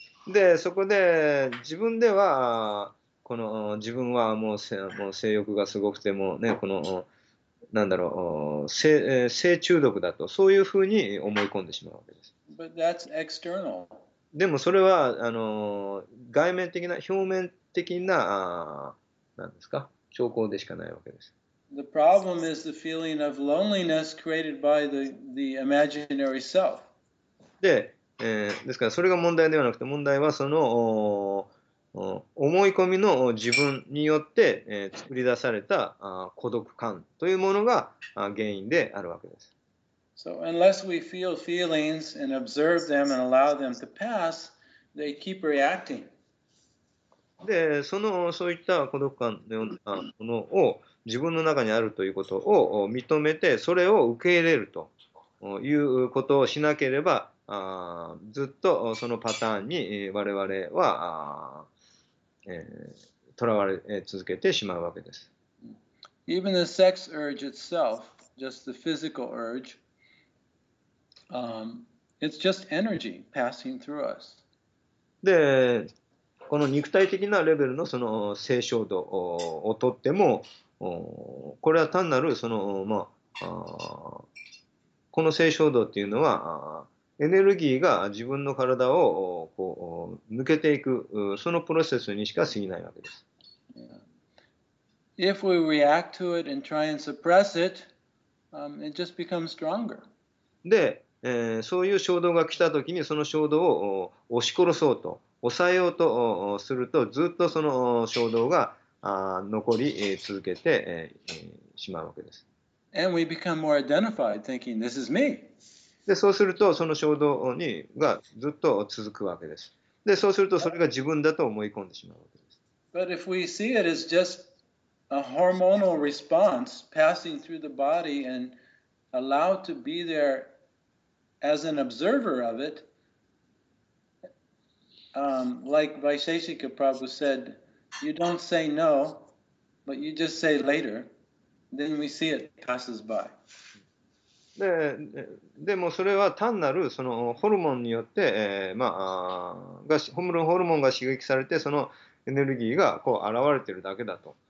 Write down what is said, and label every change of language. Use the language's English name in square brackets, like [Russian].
[Japanese] で、そこで自分ではこの自分はもう性欲がすごくてもうね、このなんだろう、性中毒だと、そういうふうに思い込んでしまうわけです。 [English] But that's external. [Japanese] でもそれは外面的な、表面的な、なんですか、兆候でしかないわけです。 [English] The problem is the feeling of loneliness created by the imaginary self. [Japanese] でですからそれが問題ではなくて、問題はその思い込みの自分によって作り出された孤独感というものが原因であるわけです。 [English] So unless we feel feelings and observe them and allow them to pass, they keep reacting. [Japanese] で、そういった孤独感のようなものを自分の中にあるということを認めて、それを受け入れるということをしなければ、ずっとそのパターンに我々は囚われ続けてしまうわけです。 [English] Even the sex urge itself, just the physical urge, it's just energy passing through us. [Japanese] で、この肉体的なレベルのその性衝動をとっても、これは単なるそのまあ、この性衝動っていうのは、エネルギーが自分の体をこう抜けていく、そのプロセスにしか過ぎないわけです。 [English] If we react to it and try and suppress it, it just becomes stronger. [Japanese] で、そういう衝動が来たときに、その衝動を押し殺そうと、抑えようとすると、ずっとその衝動が残り続けてしまうわけです。 [English] And we become more identified, thinking, this is me. [Japanese] で、そうすると、その衝動にがずっと続くわけです。で、そうすると、それが自分だと思い込んでしまうわけです。 [English] But if we see it as just a hormonal response passing through the body and allowed to be there as an observer of it, like Vaisheshika Prabhu said, you don't say no, but you just say later, then we see it passes by. [Japanese] でもそれは単なるそのホルモンによって、ホルモンが刺激されてそのエネルギーがこう現れているだけだと。